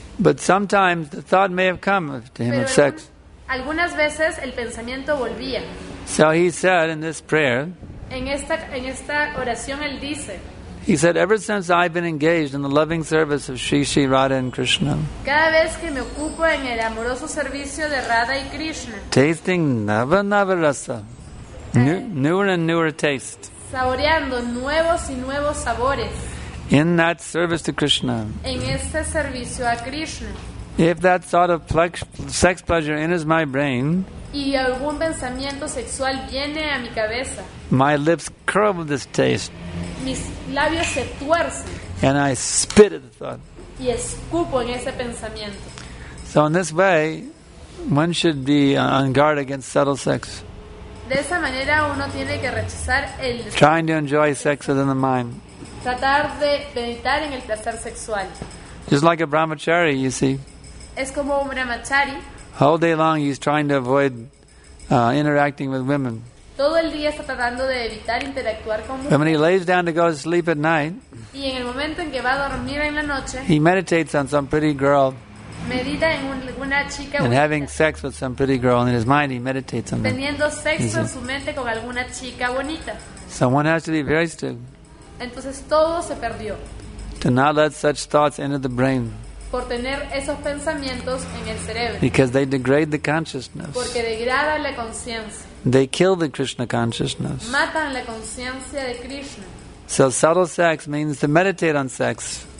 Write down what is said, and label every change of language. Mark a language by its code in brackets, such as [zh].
[en] But sometimes the thought may have come to him [es] Pero [en] of sex. [es] Algunas veces el pensamiento volvía. [en] So he said in this prayer, [es] en esta oración él dice, [en] he said, ever since I've been engaged in the loving service of Sri Sri Radha and Krishna, [es] cada vez que me ocupo en el amoroso servicio de Radha y Krishna, [en] tasting navanavarasa, newer and newer taste, [es] saboreando nuevos y nuevos sabores, [en] in that service to Krishna. [es] En este servicio a Krishna. [en] If that thought of sex pleasure enters my brain, [es] y algún pensamiento sexual viene a mi cabeza, [en] my lips curl with this taste. [es] Mis labios se tuercen. [en] And I spit at the thought. [es] Y escupo en ese pensamiento. [en] So in this way, one should be on guard against subtle sex. [es] De esa manera uno tiene que rechazar el [en] trying to enjoy sex within the mind. [es] Tratar de meditar en el placer sexual. [en] Just like a brahmachari, you see. [es] Es como un brahmachari. [en] All day long he's trying to avoid interacting with women. [es] Todo el día está tratando de evitar interactuar con mujeres. [en] But when he lays down to go to sleep at night, [es] y en el momento en que va a dormir en la noche, [en] he meditates on some pretty girl. [es] Medita en una chica [en] and having sex with some pretty girl in his mind, he meditates on that. [es] Teniendo sexo en su mente con alguna chica bonita. [en] So one has to be very still. [es] Entonces todo se perdió. [en] To not let such thoughts enter the brain. [es] Por tener esos pensamientos en el cerebro. [en] Because they degrade the consciousness. [es] Porque degrada la conciencia. [en] They kill the Krishna consciousness. [es] Matan la conciencia de Krishna. [en] So subtle sex means to meditate on sex.